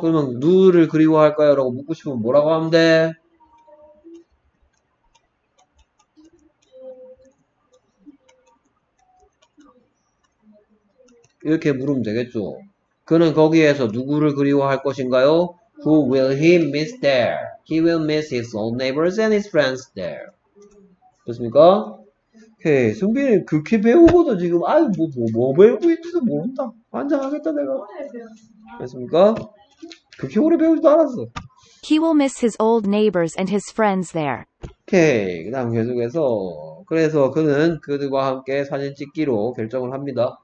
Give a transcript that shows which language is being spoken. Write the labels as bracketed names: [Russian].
[Korean] 그러면 누구를 그리워할 거야? 라고 묻고 싶으면 뭐라고 하면 돼? 이렇게 물으면 되겠죠. 그는 거기에서 누구를 그리워할 것인가요? [English] Who will he miss there? He will miss his old neighbors and his friends there. [Korean] 그렇습니까? 오케이. 승빈이 그렇게 배우고도 지금, 아유, 뭐 배우고 있는지도 모른다. 환장하겠다, 내가. 그렇습니까? 그렇게 오래 배우지도 않았어. [English] He will miss his old neighbors and his friends there. [Korean] 오케이. 그 다음 계속해서. 그래서 그는 그들과 함께 사진 찍기로 결정을 합니다.